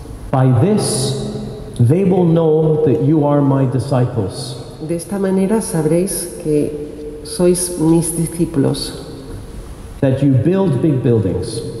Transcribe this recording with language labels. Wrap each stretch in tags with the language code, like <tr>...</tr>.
<en>by this they will know that you are my disciples.</en> <es>De esta manera sabréis que sois mis discípulos.</es> <en>That you build big buildings.</en>